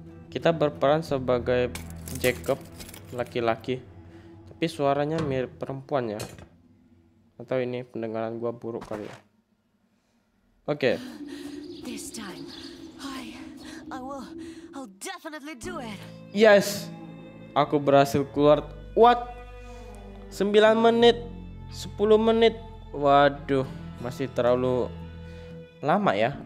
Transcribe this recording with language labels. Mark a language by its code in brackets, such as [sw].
[id] Kita berperan sebagai Jacob laki-laki, tapi suaranya mirip perempuan ya. Atau ini pendengaran gua buruk kali ya. Oke. [en] This time, I'll definitely do it. [id] Yes, aku berhasil keluar. What? 9 menit, 10 menit. Waduh, masih terlalu lama ya.